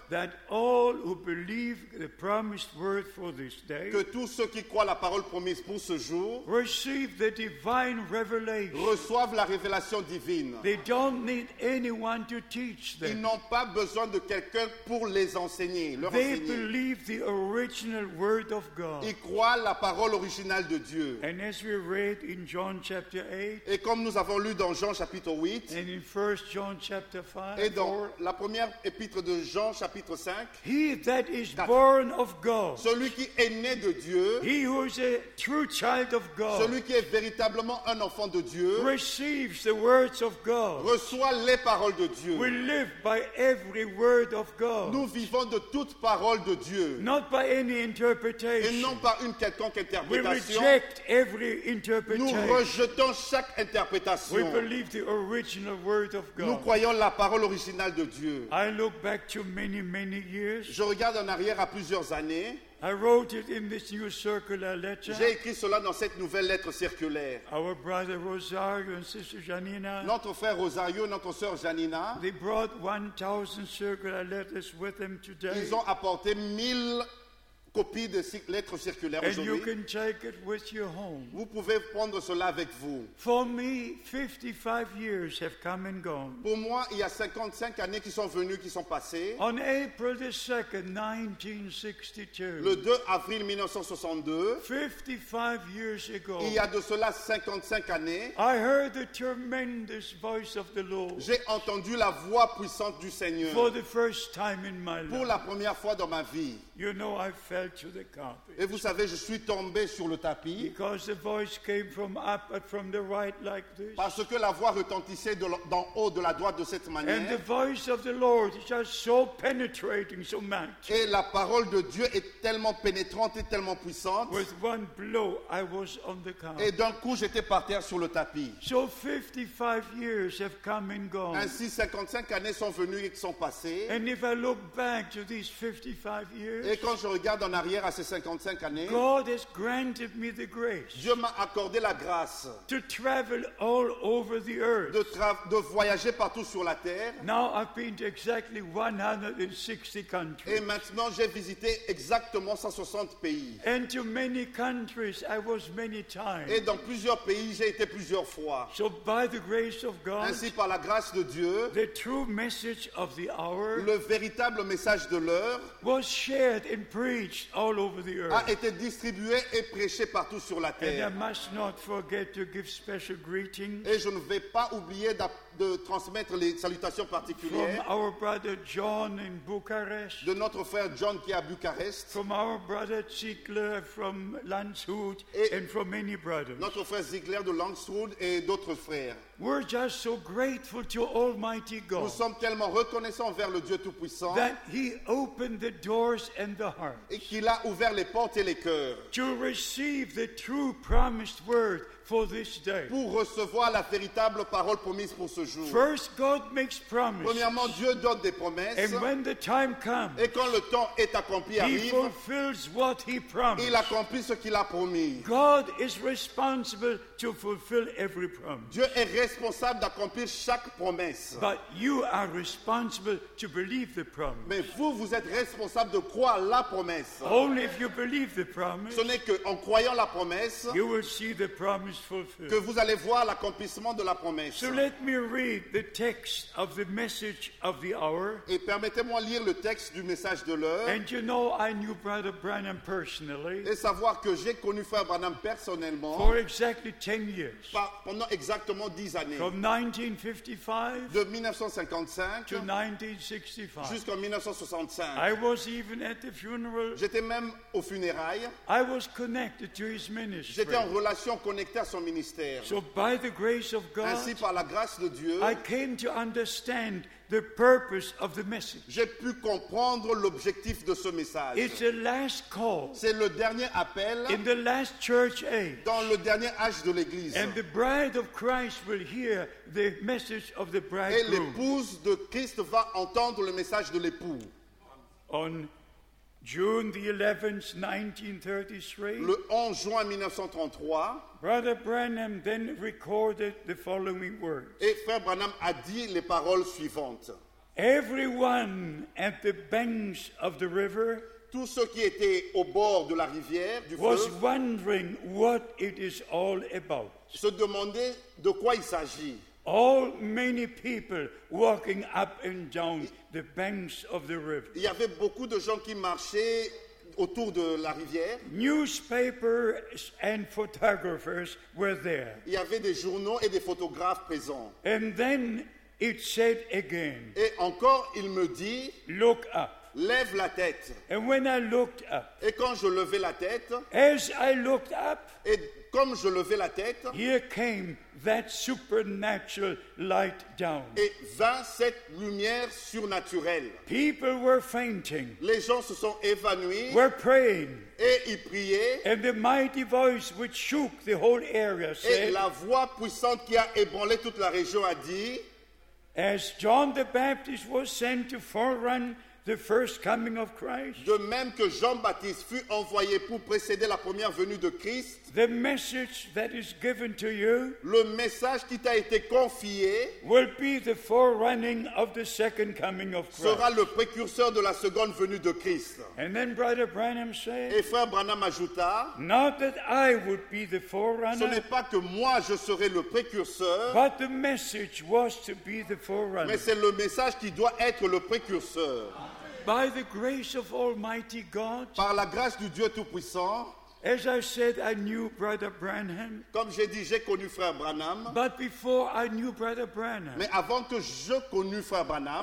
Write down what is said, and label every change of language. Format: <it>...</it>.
<en>That all who believe the promised word for this day.</en> <fr>Que tous ceux qui croient la parole promise pour ce jour.</fr> <en>Receive the divine revelation.</en> <fr>Reçoivent la révélation divine.</fr> <en>They don't need anyone to teach them.</en> <fr>Ils n'ont pas besoin de quelqu'un pour les enseigner, leur</fr> <en>they</en> <fr>enseigner.</fr> <en>Believe the original word of God.</en> <fr>Ils croient la parole originale de Dieu.</fr> <en>And as we read in John chapter 8,</en> <fr>et comme nous avons lu dans Jean chapitre 8,</fr> <en>and in 1 John chapter 5,</en> <fr>et dans la première épître de Jean chapitre 5,</fr> <en>he that is born of God,</en> <fr>celui qui est né de Dieu,</fr> <en>he who is a true child of God,</en> <fr>celui qui est véritablement un enfant de Dieu,</fr> <en>receives the words of God,</en> <fr>reçoit les paroles de Dieu.</fr> <en>We live by every word of God.</en> <fr>Nous vivons de toute parole de Dieu.</fr> <en>Not by any interpretation.</en> <fr>Et non par une quelconque interprétation.</fr> <en>We reject every interpretation.</en> <fr>Nous rejetons chaque interprétation.</fr> <en>We believe the original word of God.</en> <fr>Nous croyons la parole originale de Dieu.</fr> <en>I look back to many, many years.</en> <fr>Je regarde en arrière à plusieurs années.</fr> <en>I wrote it in this new circular letter.</en> <fr>J'ai écrit cela dans cette nouvelle lettre circulaire.</fr> <en>Our brother Rosario and sister Janina.</en> <fr>Notre frère Rosario, notre sœur Janina.</fr> <en>They brought 1,000 circular letters with them today.</en> <fr>Ils ont apporté 1,000 copies de lettres circulaires</fr> <en>and</en> <fr>aujourd'hui.</fr> <en>And you can take it with you home.</en> <fr>Vous pouvez prendre cela avec vous.</fr> <en>For me, 55 years have come and gone.</en> <fr>Pour moi, il y a 55 années qui sont venues, qui sont passées.</fr> <en>On April the 2nd, 1962.</en> <fr>Le 2 avril 1962.</fr> <en>55 years ago.</en> <fr>Il y a de cela 55 années.</fr> <en>I heard the tremendous voice of the Lord.</en> <fr>J'ai entendu la voix puissante du Seigneur.</fr> <en>For the first time in my life.</en> <fr>Pour la première fois dans ma vie.</fr> <en>You know, I fell to the carpet.</en> <fr>Et vous savez, je suis tombé sur le tapis.</fr> <en>Because the voice came from up and from the right like this.</en> <fr>Parce que la voix retentissait d'en haut, de la droite, de cette manière.</fr> <en>And the voice of the Lord is just so penetrating, so much.</en> <fr>Et la parole de Dieu est tellement pénétrante et tellement puissante.</fr> <en>With one blow, I was on the carpet.</en> <fr>Et d'un coup, j'étais par terre sur le tapis.</fr> <en>So 55 years have come and gone.</en> <fr>Ainsi, 55 années sont venues et sont passées.</fr> <en>And if I look back to these 55 years.</en> <fr>Et quand je regarde en arrière à ces 55 années,</fr> <en>God has granted me the grace.</en> <fr>Dieu m'a accordé la grâce</fr> <en>to travel all over the earth.</en> <fr>De voyager partout sur la terre.</fr> <en>Now I've been to exactly 160 countries.</en> <fr>Et maintenant j'ai visité exactement 160 pays.</fr> <en>And to many countries I was many times.</en> <fr>Et dans plusieurs pays j'ai été plusieurs fois.</fr> <en>So by the grace of God,</en> <fr>ainsi par la grâce de Dieu,</fr> <en>the true message of the hour,</en> <fr>le véritable message de l'heure,</fr> <en>was shared and preached all over the earth.</en> <fr>A été distribué et prêché partout sur la terre.</fr> <en>And I must not forget to give special greetings.</en> <fr>Et je ne vais pas oublier de transmettre les salutations particulières.</fr> <en>From our brother John in Bucharest.</en> <fr>De notre frère John qui est à Bucarest.</fr> <en>From our brother Ziegler from Landshut and from many brothers.</en> <fr>Notre frère Ziegler de Landshut et d'autres frères.</fr> <en>We're just so grateful to Almighty God.</en> <fr>Nous sommes tellement reconnaissants vers le Dieu Tout-Puissant.</fr> <en>That He opened the doors and the hearts.</en> <fr>Et qu'il a ouvert les portes et les cœurs.</fr> <en>To receive the true promised word. for this day.</en> <fr>Pour recevoir la véritable parole promise pour ce jour.</fr> <en>First, God makes promises.</en> <fr>Premièrement, Dieu donne des promesses.</fr> <en>And when the time comes,</en> <fr>et quand le temps est accompli,</fr> <en>he</en> <fr>arrive,</fr> <en>fulfills what he promised.</en> <fr>Il accomplit ce qu'il a promis.</fr> <en>God is responsible to fulfill every promise.</en> <fr>Dieu est responsable d'accomplir chaque promesse.</fr> <en>But you are responsible to believe the promise.</en> <fr>Mais vous, vous êtes responsable de croire la promesse.</fr> <en>Only if you believe the promise,</en> <fr>ce n'est qu'en croyant la promesse,</fr> <en>you will see the promise fulfilled.</en> <fr>Que vous allez voir l'accomplissement de la promesse.</fr> <en>So let me read the text of the message of the hour.</en> <fr>Et permettez-moi lire le texte du message de l'heure.</fr> <en>And you know, I knew Brother Branham personally.</en> <fr>Et savoir que j'ai connu Frère Branham personnellement.</fr> <en>For exactly 10 years.</en> <fr>Pendant exactement 10 années.</fr> <en>From 1955.</en> <fr>De 1955.</fr> <en>To 1965.</en> <fr>Jusqu'en 1965.</fr> <en>I was even at the funeral.</en> <fr>J'étais même aux funérailles.</fr> <en>I was connected to his ministry.</en> <fr>J'étais en relation connectée à son ministère.</fr> <en>So by the grace of God,</en> <fr>ainsi par la grâce de Dieu,</fr> <en>I came to understand the purpose of the message.</en> <fr>J'ai pu comprendre l'objectif de ce message.</fr> <en>It's the last call.</en> <fr>C'est le dernier appel.</fr> <en>In the last church age.</en> <fr>Dans le dernier âge de l'Église.</fr> <en>And the bride of Christ will hear the message of the bridegroom.</en> <fr>Et l'épouse de Christ va entendre le message de l'époux.</fr> <en>On June the 11th, 1933.</en> <fr>Le 11 juin 1933.</fr> <en>Brother Branham then recorded the following words.</en> <fr>Et Frère Branham a dit les paroles suivantes.</fr> <en>Everyone at the banks of the river.</en> <fr>Tous ceux qui étaient au bord de la rivière du</fr> <en>was</en> <fr>fleuve.</fr> <en>Was wondering what it is all about.</en> <fr>Se demandaient de quoi il s'agit.</fr> <en>All many people walking up and down the banks of the river.</en> <fr>Il y avait beaucoup de gens qui marchaient autour de la rivière.</fr> <en>Newspapers and photographers were there.</en> <fr>Il y avait des journaux et des photographes présents.</fr> <en>And then it said again.</en> <fr>Et encore il me dit,</fr> <en>look up.</en> <fr>Lève la tête.</fr> <en>And when I looked up.</en> <fr>Et quand je levais la tête,</fr> <en>as I looked up.</en> <fr>Et comme je levais la tête,</fr> <en>here came that supernatural light down.</en> <fr>Et vint cette lumière surnaturelle.</fr> <en>People were fainting.</en> <fr>Les gens se sont évanouis.</fr> <en>Were praying.</en> <fr>Et ils priaient.</fr> <en>And the mighty voice which shook the whole area said.</en> <fr>Et la voix puissante qui a ébranlé toute la région a dit.</fr> <en>As John the Baptist was sent to forerun the first coming of Christ.</en> <fr>De même que Jean-Baptiste fut envoyé pour précéder la première venue de Christ.</fr> <en>The message that is given to you.</en> <fr>Le message qui t'a été confié.</fr> <en>Will be the forerunning of the second coming of Christ.</en> <fr>Sera le précurseur de la seconde venue de Christ.</fr> <en>And then Brother Branham said.</en> <fr>Et Frère Branham ajouta.</fr> <en>Not that I would be the forerunner.</en> <fr>Ce n'est pas que moi je serai le précurseur.</fr> <en>But the message was to be the forerunner.</en> <fr>Mais c'est le message qui doit être le précurseur.</fr> <en>By the grace of Almighty God.</en> <fr>Par la grâce du Dieu Tout-Puissant.</fr> <en>As I said, I knew Brother Branham.</en> <fr>Comme j'ai dit, j'ai connu Frère Branham.</fr> <en>But before I knew Brother Branham.</en> <fr>Mais avant que je connus Frère Branham.</fr>